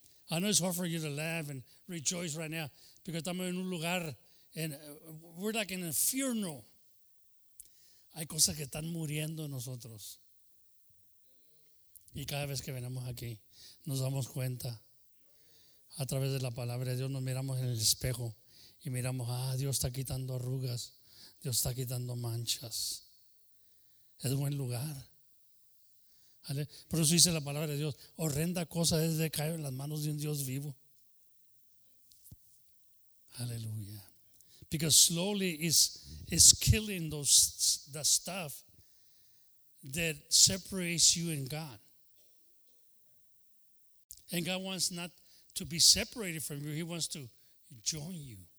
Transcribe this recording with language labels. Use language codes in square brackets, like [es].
[es] I know it's hard for you to laugh and rejoice right now because estamos en un lugar, we're like in a funeral. Hay cosas que están muriendo en nosotros. Y cada vez que venimos aquí, nos damos cuenta. A través de la palabra de Dios nos miramos en el espejo y miramos, ah, Dios está quitando arrugas, Dios está quitando manchas. Es buen lugar. ¿Vale? Por eso dice la palabra de Dios, horrenda cosa es de caer en las manos de un Dios vivo. Aleluya. [en] Because slowly is killing those, the stuff that separates you and God. And God wants not to be separated from you. He wants to join you.